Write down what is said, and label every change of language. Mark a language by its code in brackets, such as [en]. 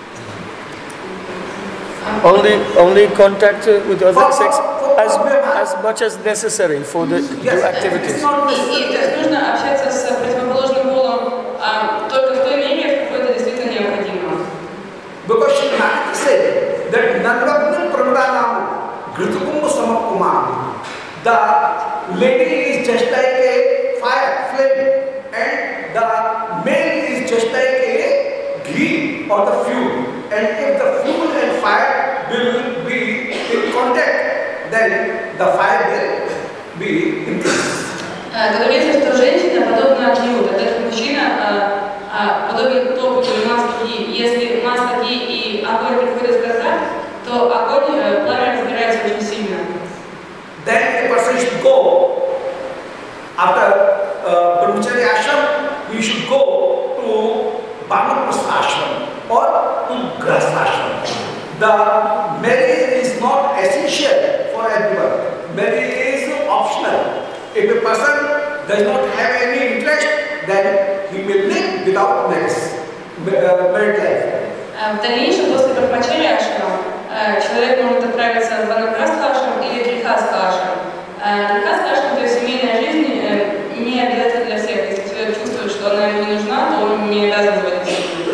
[en] only contact with other sex as much as necessary for the activities. [ru] Нужно общаться с противоположным полом только в той мере, в какой это действительно необходимо. [en] Because she had said that [sa] nanrabhim pramadanam gritukumbu samakuma, [en] the lady is just like a fire flame and the male is just like a ghee or the fuel, and if the fuel and fire will be in contact, then the fire will be in peace. [ru] Говорится, что женщина подобна огню, тогда как мужчина подобен топливу или маслу ги. Если масло ги и огонь приходит в глаза, то огонь пламя разгорается очень сильно. [en] Then a person should go after brahmachari ashram, he should go to vanaprastha ashram or to grahastha ashram. The marriage is not essential for everyone. Marriage is optional. If a person does not have any interest, then he may live without married life. [ru] В дальнейшем, после брахмачари ашрама, человек может отправиться в ванапрастха ашрам или грихастха ашрам. Грихастха ашрам, то есть семейная жизнь, не обязательно для всех. Если человек чувствует, что она ему не нужна, то он не обязан заводить